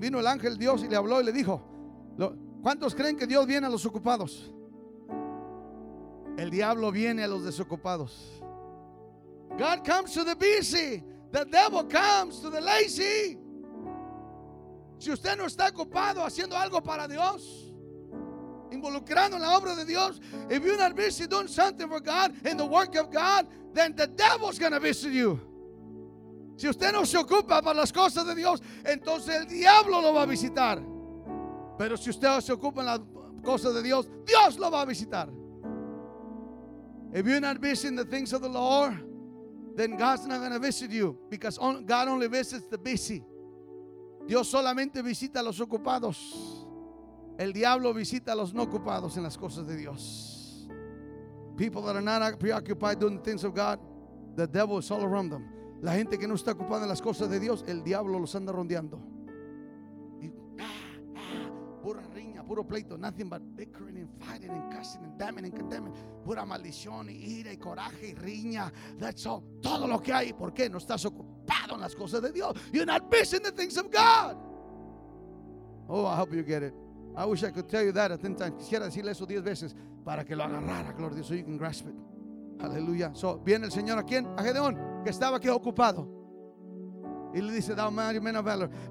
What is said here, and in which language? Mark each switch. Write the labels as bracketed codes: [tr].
[es] Vino el ángel de Dios y le habló y le dijo. ¿Cuántos creen que Dios viene a los ocupados? El diablo viene a los desocupados. [en] God comes to the busy. The devil comes to the lazy. [es] Si usted no está ocupado haciendo algo para Dios, involucrando en la obra de Dios, [en] if you're not busy doing something for God in the work of God, then the devil's going to visit you. [es] Si usted no se ocupa para las cosas de Dios, entonces el diablo lo va a visitar. Pero si usted se ocupa en las cosas de Dios, Dios lo va a visitar. [en] If you're not busy in the things of the Lord, then God's not going to visit you, because God only visits the busy. [es] Dios solamente visita a los ocupados. El diablo visita a los no ocupados en las cosas de Dios. [en] People that are not preoccupied doing the things of God, the devil is all around them. [es] La gente que no está ocupada en las cosas de Dios, el diablo los anda rondeando. Y, pura riña, puro pleito, [en] nothing but bickering and fighting and cussing and damning and condemning. [es] Pura maldición y ira y coraje y riña. [en] That's all. [es] Todo lo que hay. ¿Por qué? No estás ocupado en las cosas de Dios. [en] You're not busy in the things of God. Oh, I hope you get it. I wish I could tell you that. [es] Quisiera decirle eso 10 veces para que lo agarrara, gloria a Dios, [en] so you can grasp it. Aleluya. [es] So, viene el Señor a quién? A Gedeón, que estaba aquí ocupado. Y le dice, [en] thou mighty man of valor.